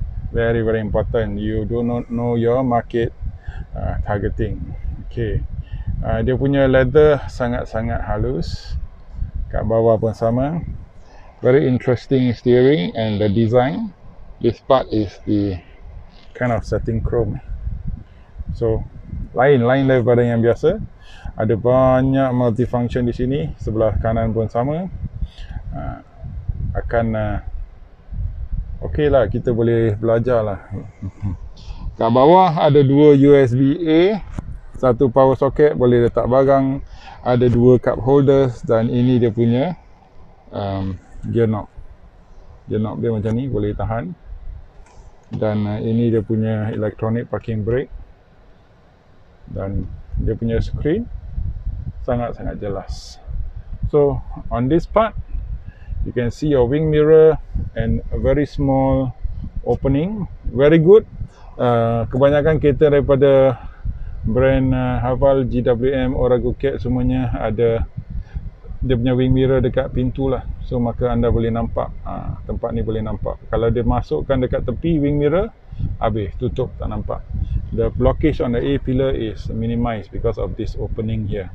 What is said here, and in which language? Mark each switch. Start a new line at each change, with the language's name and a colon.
English: Very, very important. You do not know your market targeting. Okay.
Malay: Dia punya leather sangat-sangat halus. Kat bawah pun sama.
English: Very interesting steering and the design. This part is the kind of setting chrome.
Malay: So, lain-lain daripada yang biasa. Ada banyak multifunction di sini. Sebelah kanan pun sama. Okey lah, kita boleh belajar lah. Kat bawah ada dua USB-A. Satu power socket, boleh letak barang. Ada dua cup holders dan ini dia punya gear knob. Gear knob dia macam ni, boleh tahan. Dan ini dia punya electronic parking brake. Dan dia punya screen sangat-sangat jelas.
English: So, on this part, you can see your wing mirror and a very small opening. Very good.
Malay: Kebanyakan kereta daripada brand Haval, GWM, Aura Good Cat semuanya ada dia punya wing mirror dekat pintu lah. So maka anda boleh nampak, tempat ni boleh nampak. Kalau dia masukkan dekat tepi wing mirror, habis, tutup, tak nampak.
English: The blockage on the A pillar is minimized because of this opening here.